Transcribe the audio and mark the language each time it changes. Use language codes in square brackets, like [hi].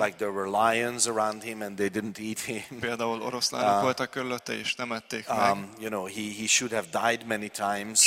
[en] Like there were lions around him and they didn't eat him. [hu] Például oroszlánok voltak körülötte és nem ették meg. [en] You know, he should have died many times.